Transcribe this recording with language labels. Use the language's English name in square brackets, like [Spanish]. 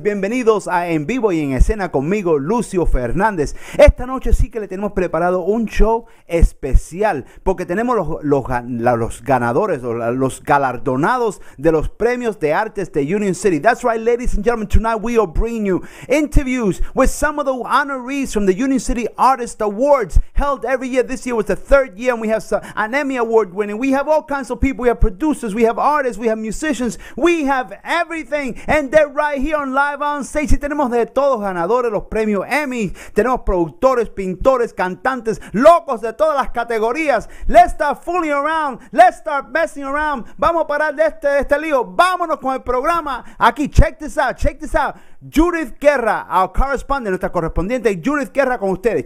[Spanish] Bienvenidos a En Vivo y en Escena conmigo, Lucio Fernandez. Esta noche sí que le tenemos preparado un show especial, porque tenemos los ganadores, los galardonados de los premios de artes de Union City. [English] That's right, ladies and gentlemen, tonight we are bringing you interviews with some of the honorees from the Union City Artist Awards held every year. This year was the third year, and we have an Emmy Award winning. We have all kinds of people. We have producers. We have artists. We have musicians. We have everything. And they're right here on Live on Stage. [Spanish] Y tenemos de todos ganadores los premios Emmy. Tenemos productores, pintores, cantantes, locos de todas las categorías. [English] Let's start fooling around. Let's start messing around. [Spanish] Vamos a parar de este lío. Vámonos con el programa. Aquí, [English] check this out. Check this out. [Spanish] Judith Guerra, [English] our correspondent, [Spanish] nuestra correspondiente Judith Guerra con ustedes.